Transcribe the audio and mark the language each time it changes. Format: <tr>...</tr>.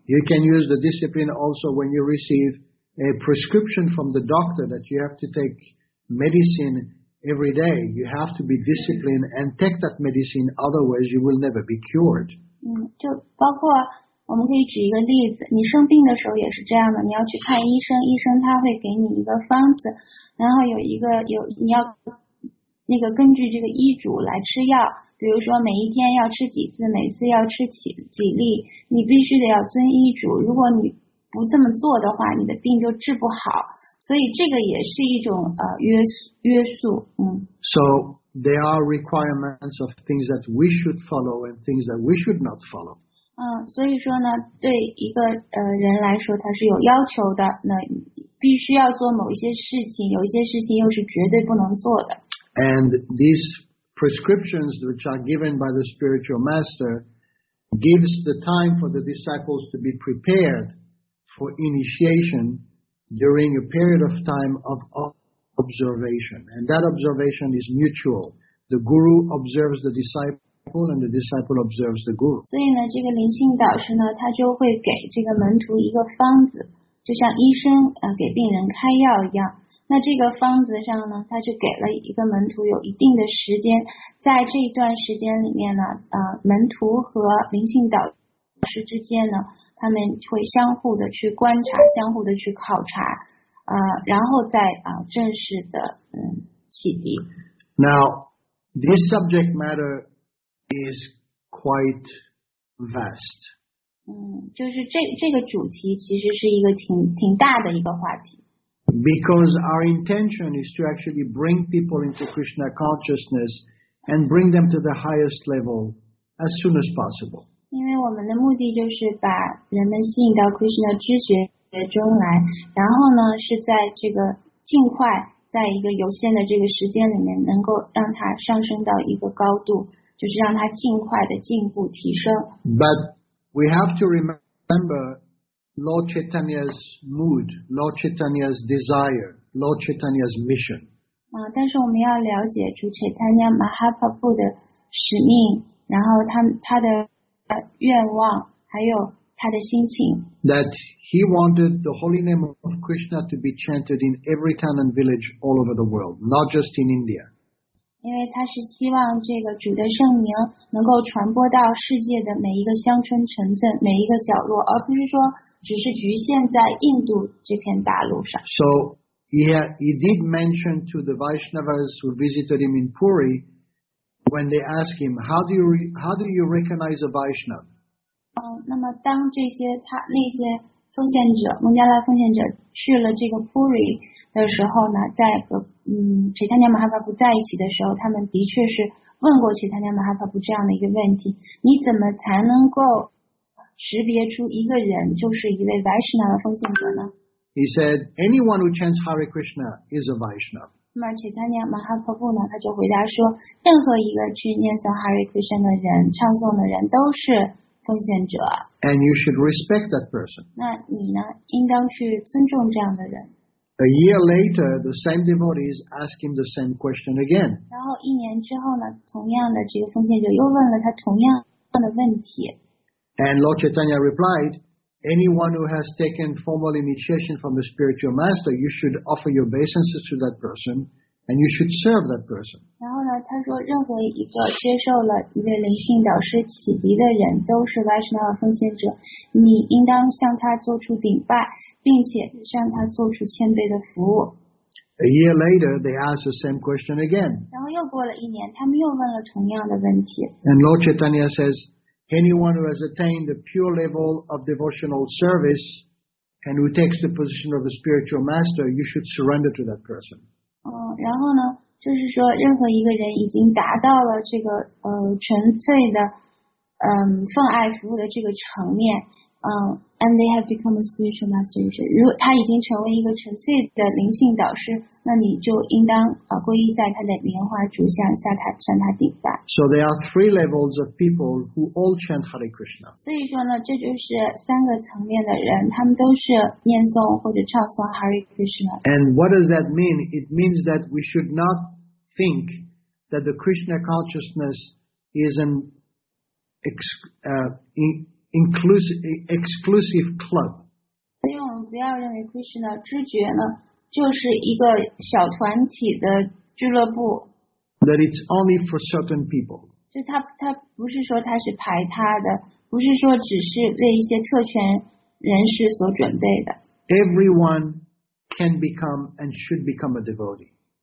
<en>And、you can use the discipline also when you receive a prescription from the doctor that you have to take medicineEvery day, you have to be disciplined and take that medicine, otherwise you will never be cured.</en> <zh>就包括我们可以举一个例子，你生病的时候也是这样的，你要去看医生，医生他会给你一个方子，然后你要那个根据这个医嘱来吃药，比如说每一天要吃几次，每次要吃几粒，你必须得要遵医嘱，如果你不这么做的话，你的病就治不好。所以这个也是一种约束。</zh> <en>So there are requirements of things that we should follow and things that we should not follow.</en> <zh>所以说呢，对一个人来说，他是有要求的，那必须要做某一些事情，有一些事情又是绝对不能做的。</zh> <en>And these prescriptions which are given by the spiritual master gives the time for the disciples to be prepared for initiation. During a period of time of observation. And that observation is mutual. The guru observes the disciple and the disciple observes the guru.</en> <zh>所以呢这个灵性导师呢他就会给这个门徒一个方子就像医生给病人开药一样。那这个方子上呢他就给了一个门徒有一定的时间。在这段时间里面呢门徒和灵性导师之间呢，他们会相互的去观察，相互的去考察，然后再正式的启迪。</zh> <en>Now, this subject matter is quite vast.</en> <zh>就是这个主题其实是一个挺大的一个话题。</zh> <en>Because our intention is to actually bring people into Krishna consciousness and bring them to the highest level as soon as possible.</en> <zh>因为我们的目的就是把人们吸引到 Krishna 知觉中来，然后呢是在这个尽快在一个有限的这个时间里面能够让它上升到一个高度，就是让它尽快的进步提升。</zh> <en>But we have to remember Lord Chaitanya's mood, Lord Chaitanya's desire, Lord Chaitanya's mission.</en> <zh>但是我们要了解主 Chaitanya Mahaprabhu 的使命，然后他的愿望，还有他的心情。</zh> <en>That he wanted the holy name of Krishna to be chanted in every town and village all over the world, not just in India.</en> <zh>因为他是希望这个主的圣名能够传播到世界的每一个乡村城镇，每一个角落，而不是说只是局限在印度这片大陆上。</zh> <en>So he did mention to the Vaishnavas who visited him in Puri, when they asked him, how do you recognize a Vaishnava?</en> <zh>那么当这些那些奉献者孟加拉奉献者去了这个 Puri 的时候呢，在Chaitanya Mahaprabhu 在一起的时候，他们的确是问过 Chaitanya Mahaprabhu 这样的一个问题，你怎么才能够识别出一个人就是一位 Vaishnava 奉献者呢？</zh> <en>He said anyone who chants Hare Krishna is a Vaishnava.</en> <zh>那么 Chaitanya Mahaprabhu 呢，他就回答说，任何一个去念诵 Hare Krishna 的人，唱诵的人都是奉献者。</zh> <en>And you should respect that person.</en> <zh>那你呢，应当去尊重这样的人。</zh> <en>A year later, the same devotees ask him the same question again.</en> <zh>然后一年之后呢，同样的这个奉献者又问了他同样的问题。</zh> <en>And Lord Chaitanya replied, anyone who has taken formal initiation from the spiritual master, you should offer your obeisances to that person, and you should serve that person.</en> <zh>然后呢，他说任何一个接受了一位灵性导师启迪的人都是 Vaishnava 奉献者，你应当向他做出顶拜，并且向他做出谦卑的服务。</zh> <en>A year later, they asked the same question again.</en> <zh>然后又过了一年，他们又问了同样的问题。</zh> <en>And Lord Chaitanya says, anyone who has attained the pure level of devotional service and who takes the position of the spiritual master, you should surrender to that person.</en> <zh>然后呢，就是说任何一个人已经达到了这个纯粹的奉爱服务的这个层面，</zh> <en>and they have become a spiritual master.</en> <zh>如果他已经成为一个纯粹的灵性导师，那你就应当皈依在他的莲花主下，向他顶拜。</zh> <en>So there are three levels of people who all chant Hare Krishna.</en> <zh>所以说呢，这就是三个层面的人，他们都是念诵或者唱诵 Hare Krishna.</zh> <en>And what does that mean? It means that we should not think that the Krishna consciousness is an exclusive club.</en> <zh>所以我们不要认为 Krishna 知觉呢就是一个小团体的俱乐部。</zh> <en>That it's only for certain people.</en> <zh>就他不是说他是排他的，不是说只是为一些特权人士所准备的。</zh> <en>Everyone can become and should become a devotee.</en>